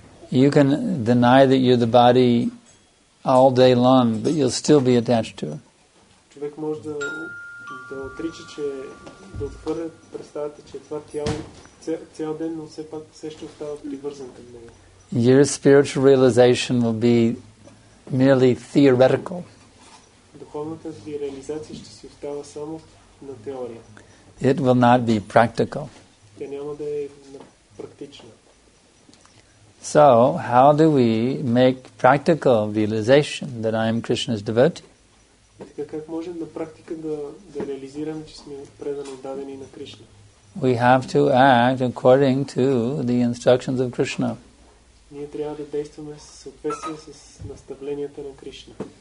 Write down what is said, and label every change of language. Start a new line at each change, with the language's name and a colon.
English: You can deny that you're the body all day long, but you'll still be attached to it.
Bulgarian: Човек може да отрича, че да отхвърля представата, че това тяло цял ден, но все пак все ще остава привързан към него.
English: Your spiritual realization will be merely theoretical.
Bulgarian: Духовната ви реализация ще си остава само на теория.
English: It will not be practical.
Bulgarian: Тя няма да е практична.
English: So, how do we make practical realization that I am Krishna's devotee?
Bulgarian: Така как можем на практика да реализираме, че сме предани, дадени на Кришна?
English: We have to act according to the instructions of Krishna.
Bulgarian: Ние трябва да действаме в съответствие с наставленията на Кришна.